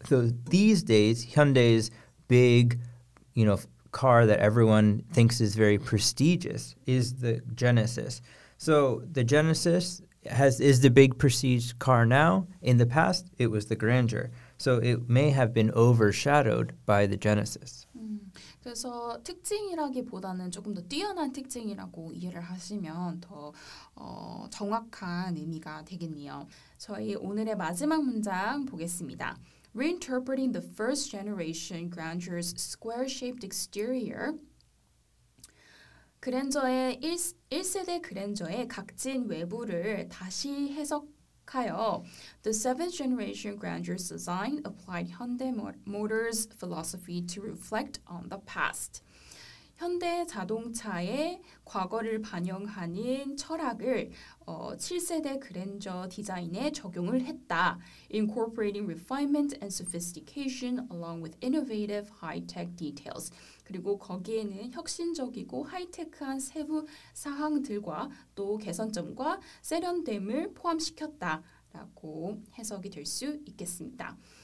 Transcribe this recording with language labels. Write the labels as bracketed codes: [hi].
[en] So these days, Hyundai's big, you know, car that everyone thinks is very prestigious is the Genesis. So the Genesis is the big prestige car now. In the past, it was the Grandeur. So it may have been overshadowed by the Genesis. [ko] 그래서 특징이라기보다는 조금 더 뛰어난 특징이라고 이해를 하시면 더 정확한 의미가 되겠네요. 저희 오늘의 마지막 문장 보겠습니다. [en] Reinterpreting the first generation Grandeur's square-shaped exterior, [ko] 그랜저의 1세대 그랜저의 각진 외부를 다시 해석하여 [en] The 7th generation Grandeur's design applied Hyundai Motor's philosophy to reflect on the past. [ko] 현대 자동차의 과거를 반영하는 철학을 7세대 그랜저 디자인에 적용을 했다. [en] Incorporating refinement and sophistication along with innovative high-tech details. [ko] 그리고 거기에는 혁신적이고 하이테크한 세부 사항들과 또 개선점과 세련됨을 포함시켰다라고 해석이 될 수 있겠습니다.